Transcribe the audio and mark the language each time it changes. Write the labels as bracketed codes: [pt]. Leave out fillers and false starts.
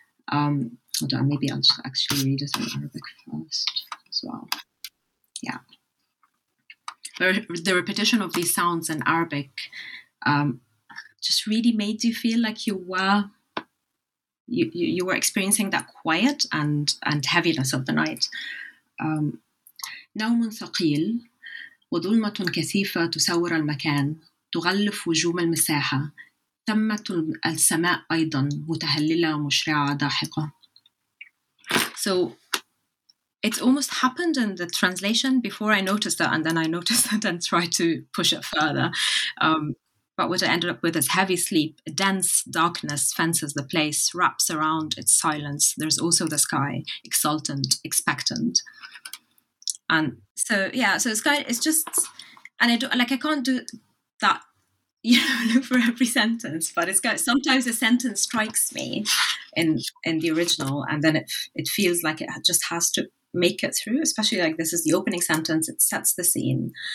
[en] Hold on, maybe I'll just actually read it in Arabic first as well. Yeah, the repetition of these sounds in Arabic just really made you feel like you were experiencing that quiet and heaviness of the night. [ar] نوم ثقيل وظلمة كثيفة تسور المكان تغلف وجوم المساحة تمت السماء أيضا متهللة مشرعة داحقة. [en] So it's almost happened in the translation before I noticed that, and then I noticed that and tried to push it further. But what I ended up with is heavy sleep. A dense darkness fences the place, wraps around its silence. There's also the sky, exultant, expectant. And so, yeah, so I can't do that, you know, for every sentence, but sometimes a sentence strikes me in the original, and then it feels like it just has to make it through, especially like this is the opening sentence, it sets the scene.